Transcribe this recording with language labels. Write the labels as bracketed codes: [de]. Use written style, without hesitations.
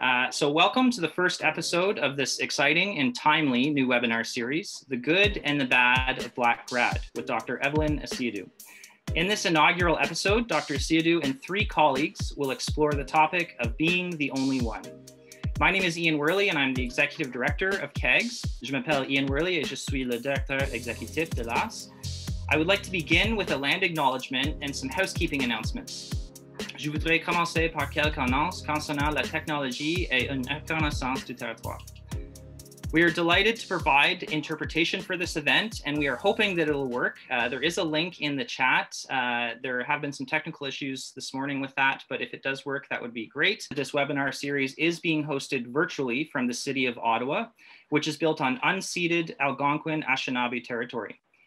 [en] So welcome to the first episode of this exciting and timely new webinar series, The Good and the Bad of Black Grad, with Dr. Evelyn Asiedu. In this inaugural episode, Dr. Asiedu and three colleagues will explore the topic of being the only one. My name is Ian Worley, and I'm the executive director of KEGS. [fr] Je m'appelle Ian Worley et je suis le directeur exécutif de l'AS. [en] I would like to begin with a land acknowledgement and some housekeeping announcements. [fr] Je voudrais commencer par quelques annonces concernant la technologie et une reconnaissance du territoire. [en] We are delighted to provide interpretation for this event, and we are hoping that it'll work. There is a link in the chat. There have been some technical issues this morning with that, but if it does work, that would be great. This webinar series is being hosted virtually from the city of Ottawa, which is built on unceded Algonquin Anishinaabe territory.